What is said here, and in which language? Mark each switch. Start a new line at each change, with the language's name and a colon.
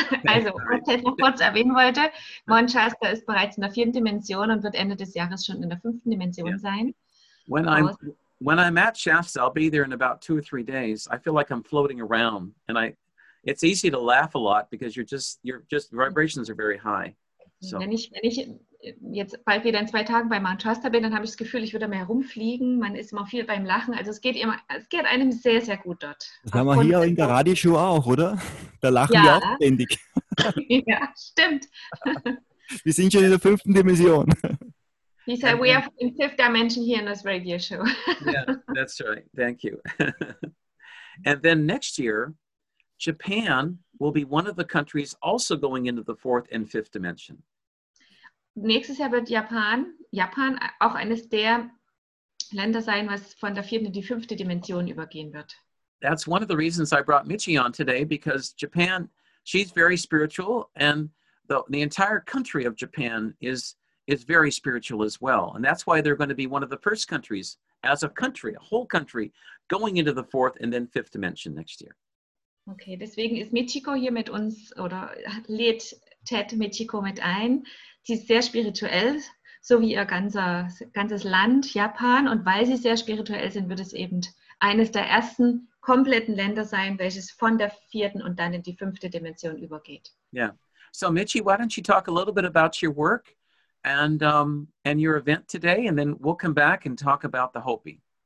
German: Also, was ich noch kurz erwähnen wollte, Mount Shasta ist bereits in der vierten Dimension und wird Ende des Jahres schon in der fünften Dimension sein.
English: When I'm at Shasta, I'll be there in about 2 or 3 days. I feel like I'm floating around. And it's easy to laugh a lot because your vibrations are very high. So.
German: Wenn ich jetzt bald wieder in 2 Tagen bei Mount Shasta bin, dann habe ich das Gefühl, ich würde mehr rumfliegen. Man ist immer viel beim Lachen. Also es geht einem sehr, sehr gut dort. Das haben wir hier in der Radioshow auch, oder? Da lachen wir auch ständig. Ja, stimmt. Wir sind schon in der fünften Dimension.
English: He said, we are in fifth dimension here in this radio show. Yeah, that's right. Thank you. And then next year, Japan will be one of the countries also going into the fourth and fifth dimension.
German: Nächstes Jahr wird Japan auch eines der Länder sein, was von der vierten in die fünfte Dimension übergehen wird.
English: That's one of the reasons I brought Michi on today, because Japan, she's very spiritual, and the entire country of Japan is very spiritual as well. And that's why they're going to be one of the first countries, as a country, a whole country, going into the fourth and then fifth dimension next year.
German: Okay, deswegen ist Michiko hier mit uns, oder lädt Ted Michiko mit ein. Sie ist sehr spirituell, so wie ihr ganzes Land, Japan. Und weil sie sehr spirituell sind, wird es eben eines der ersten kompletten Länder sein, welches von der vierten und dann in die fünfte Dimension übergeht. Yeah.
English: So Michi, why don't you talk a little bit about your work and your event today, and then we'll come back and talk about the Hopi.